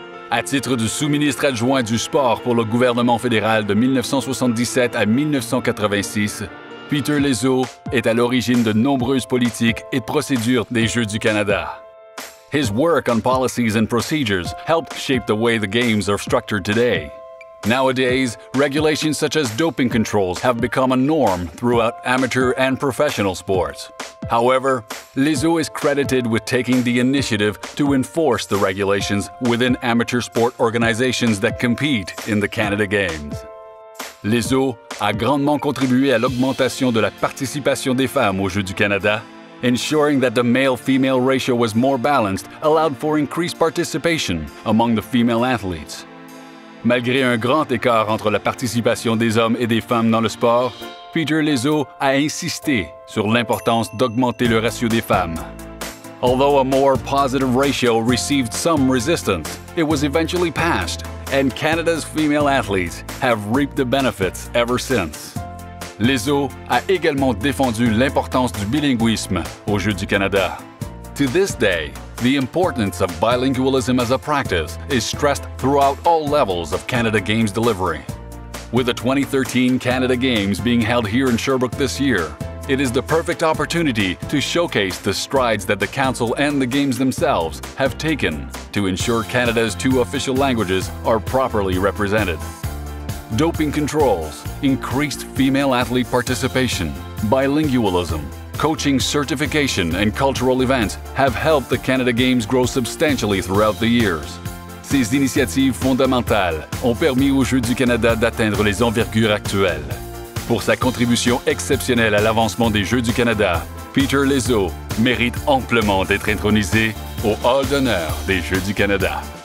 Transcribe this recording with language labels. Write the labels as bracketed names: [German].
[French] À titre de sous-ministre adjoint du sport pour le gouvernement fédéral de 1977 à 1986, Peter Lesaux est à l'origine de nombreuses politiques et procédures des Jeux du Canada. [English] His work on policies and procedures helped shape the way the games are structured today. Nowadays, regulations such as doping controls have become a norm throughout amateur and professional sports. However, Lesaux is credited with taking the initiative to enforce the regulations within amateur sport organizations that compete in the Canada Games. [French] Lesaux a grandement contribué à l'augmentation de la participation des femmes aux Jeux du Canada. [English] Ensuring that the male-female ratio was more balanced allowed for increased participation among the female athletes. [French] Malgré un grand écart entre la participation des hommes et des femmes dans le sport, Peter Lesaux a insisté sur l'importance d'augmenter le ratio des femmes. [English] Although a more positive ratio received some resistance, it was eventually passed, and Canada's female athletes have reaped the benefits ever since. [French] Lesaux a également défendu l'importance du bilinguisme aux Jeux du Canada. [English] To this day, the importance of bilingualism as a practice is stressed throughout all levels of Canada Games delivery. With the 2013 Canada Games being held here in Sherbrooke this year, it is the perfect opportunity to showcase the strides that the Council and the Games themselves have taken to ensure Canada's two official languages are properly represented. Doping controls, increased female athlete participation, bilingualism, coaching certification, and cultural events have helped the Canada Games grow substantially throughout the years. [French] Ces initiatives fondamentales ont permis aux Jeux du Canada d'atteindre les envergures actuelles. Pour sa contribution exceptionnelle à l'avancement des Jeux du Canada, Peter Lesaux mérite amplement d'être intronisé au Hall d'honneur des Jeux du Canada.